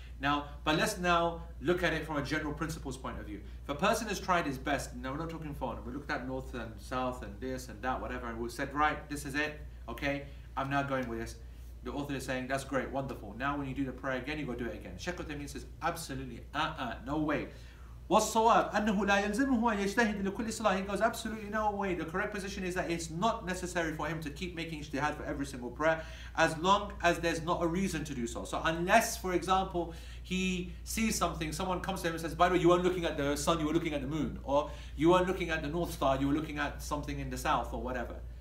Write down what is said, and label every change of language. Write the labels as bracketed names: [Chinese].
[English] Now, but let's now look at it from a general principles point of view. If a person has tried his best, now we're not talking phone, we looked at north and south and this and that, whatever, and we said, right, this is it, okay, I'm now going with this. The author is saying, that's great, wonderful. Now when you do the prayer again, you go do it again. Sheikh Uthaymeen says, absolutely, no way. [Arabic] والصواب أنه لا يلزمه أن يجتهد لكل صلاة. [English] He goes, absolutely no way. The correct position is that it's not necessary for him to keep making ijtihad for every single prayer, as long as there's not a reason to do so. So unless, for example, he sees something, someone comes to him and says, by the way, you weren't looking at the sun, you were looking at the moon, or you weren't looking at the north star, you were looking at something in the south, or whatever.